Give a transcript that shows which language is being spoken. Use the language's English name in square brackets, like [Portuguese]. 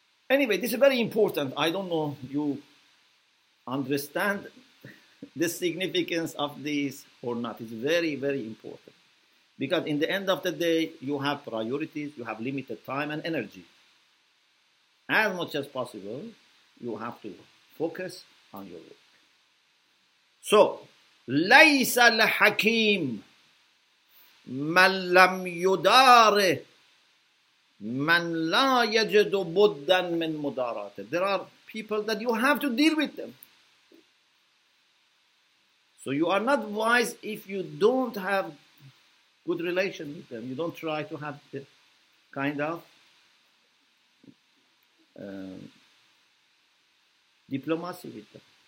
[English] Anyway, this is very important. I don't know if you understand the significance of this or not. It's very, very important. Because in the end of the day, you have priorities, you have limited time and energy. As much as possible, you have to focus on your work. [Arabic] So, ليس الحكيم من لم يدار من لا يجد بدا من مداراته. [English] There are people that you have to deal with them. So you are not wise if you don't have good relation with them. You don't try to have the kind of diplomacy with them.